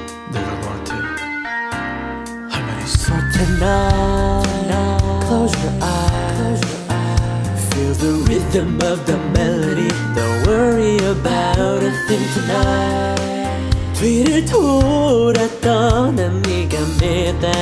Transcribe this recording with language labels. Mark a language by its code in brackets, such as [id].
[ko] 내가 너한테 할 말이 있어. [en] For tonight, close your eyes. Feel the rhythm of the melody. Don't worry about a thing tonight. [ko] 뒤를 돌았던 난 네가 미다.